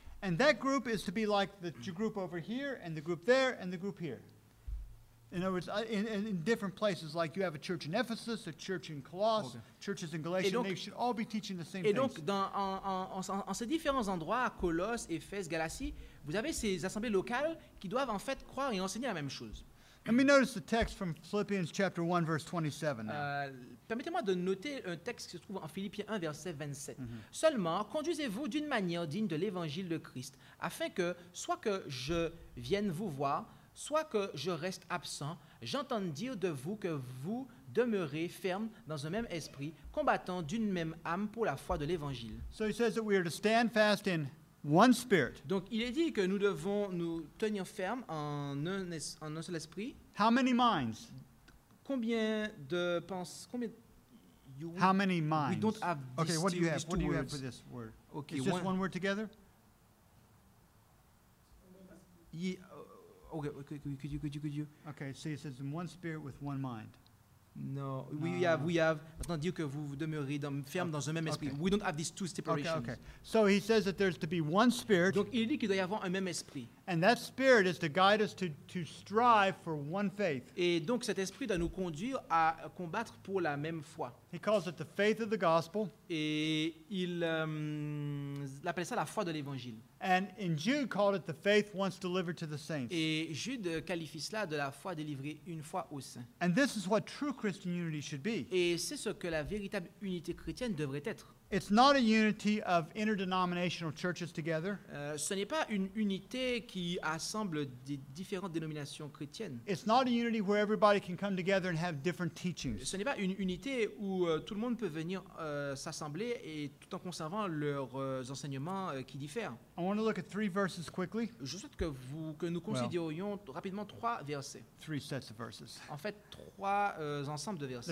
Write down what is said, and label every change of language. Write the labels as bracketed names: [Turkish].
[English] And that group is to be like the group over here, and the group there, and the group here. In other words, in different places, like you have a church in Ephesus, a church in Colossae, churches in Galatia, [French] donc, [English] and they should all be teaching the same things. [French] Et donc, en ces différents endroits, à Colosse, Éphèse, Galatie, vous avez ces assemblées locales qui doivent en fait croire et enseigner la même chose. [English] Let me notice the text from Philippians chapter 1, verse 27. [French] Permettez-moi de noter un texte qui se trouve en Philippiens 1, verset 27. Mm-hmm. Seulement, conduisez-vous d'une manière digne de l'évangile de Christ, afin que, soit que je vienne vous voir, soit que je reste absent, j'entende dire de vous que vous demeurez ferme dans un même esprit, combattant d'une même âme pour la foi de l'évangile. [English] So he says that we are to stand fast in one spirit. [French] Donc il est dit que nous devons nous tenir ferme en un seul esprit. [English] How many minds? [French] Combien de pensées? Combien? [English] You, how many minds? We don't have. Okay, what do you have? What do you words. Have for this word? Okay, it's just one word together. Yeah. Okay, so he says in one spirit with one mind. No. We have. [French] Maintenant, dire que vous demeurez ferme dans un même esprit. [English] Okay. We don't have these two separations. Okay. So he says that there's to be one spirit. [French] Donc il dit qu'il doit y avoir un même esprit. [English] And that spirit is to guide us to strive for one faith. [French] Et donc cet esprit doit nous conduire à combattre pour la même foi. [English] He calls it the faith of the gospel. [French] Et il appelle ça la foi de l'évangile. [English] And in Jude called it the faith once delivered to the saints. [French] Et Jude qualifie cela de la foi délivrée une fois aux saints. [English] And this is what true Christian unity should be. [French] Et c'est ce que la véritable unité chrétienne devrait être. [English] It's not a unity of interdenominational churches together. [French] Ce n'est pas une unité qui assemble des différentes dénominations chrétiennes. [English] It's not a unity where everybody can come together and have different teachings. [French] Ce n'est pas une unité où tout le monde peut venir s'assembler et tout en conservant leurs enseignements qui diffèrent. [English] I want to look at three verses quickly. [French] Je souhaite que nous considérions rapidement trois versets. [English] Three sets of verses. [French] En fait, trois ensembles de versets.